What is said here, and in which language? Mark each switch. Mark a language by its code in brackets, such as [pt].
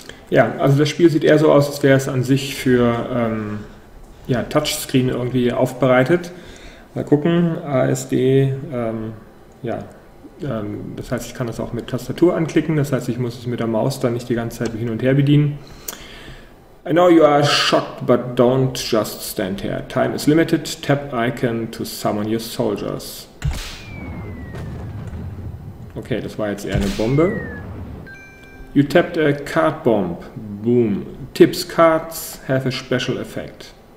[de] Ja, also das Spiel sieht eher so aus, als wäre es an sich für Touchscreen irgendwie aufbereitet. Mal gucken, ASD, das heißt, ich kann das auch mit Tastatur anklicken, das heißt, ich muss es mit der Maus dann nicht die ganze Zeit hin und her bedienen. [en] I know you are shocked, but don't just stand here. Time is limited. Tap icon to summon your soldiers. [de] Okay, das war jetzt eher eine Bombe. [en] You tapped a card bomb. Boom. Tips cards have a special effect.